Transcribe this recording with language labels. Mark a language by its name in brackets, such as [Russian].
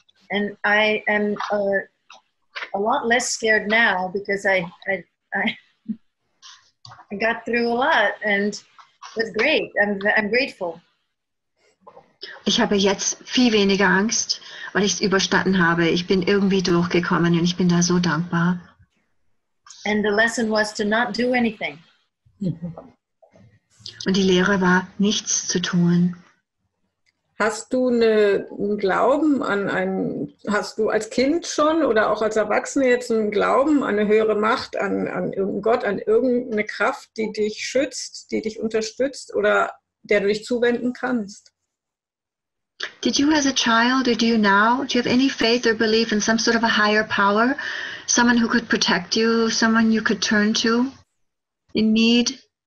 [English] And I am a lot less scared now because I got through a lot and it was great. I'm grateful. [German] Ich habe jetzt viel weniger Angst, weil ich es überstanden habe. Ich bin irgendwie durchgekommen und ich bin da so dankbar. [English] And the lesson was to not do anything. [German] Und die Lehre war, nichts zu tun. Hast du einen Glauben an einen, hast du als Kind schon oder auch als Erwachsene jetzt einen Glauben an eine höhere Macht, an irgendeinen Gott, an irgendeine Kraft, die dich schützt, die dich unterstützt oder der du dich zuwenden kannst? [English] Did you as a child, or do you now, do you have any faith or belief in some sort of a higher power? Someone who could protect you, someone you could turn to in need?